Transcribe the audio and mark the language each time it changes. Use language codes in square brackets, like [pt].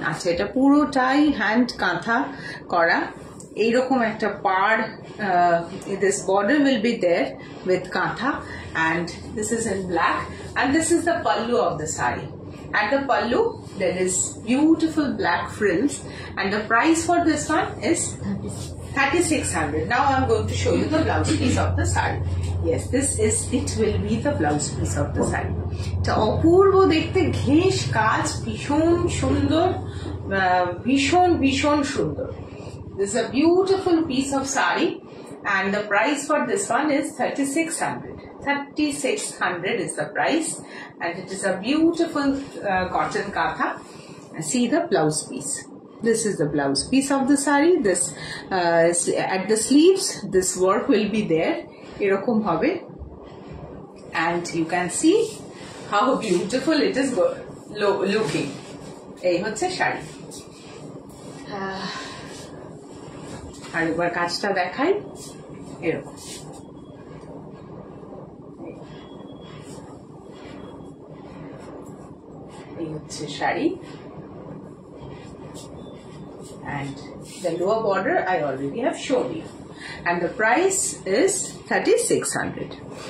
[bn] আচ্ছা, এটা পুরোটাই হ্যান্ড কাঁথা করা, এইরকম একটা পার [en] This border will be there with kantha and this is in black and this is the pallu of the sari and the pallu there is beautiful black frills and the price for this one is 3600। Now I am going to show you the blouse piece of the sari. Yes, this is it will be the blouse piece of the sari. [bn] এটা অপূর্ব দেখতে, ঘেঁষ কাজ ভীষণ সুন্দর, ভীষণ ভীষণ সুন্দর। [en] This is a beautiful piece of sari and the price for this one is 3600. 3600 is the price and it is a beautiful cotton katha. See the blouse piece. This is the blouse piece of the sari. This at the sleeves, this work will be there. [bn] Erokom hobe. [en] And you can see how beautiful it is looking. [bn] Ei hocche sari. আর একবার কাজটা দেখাই, এরকম এই হচ্ছে sari [en] And the lower border I already have showed you and the price is 3600।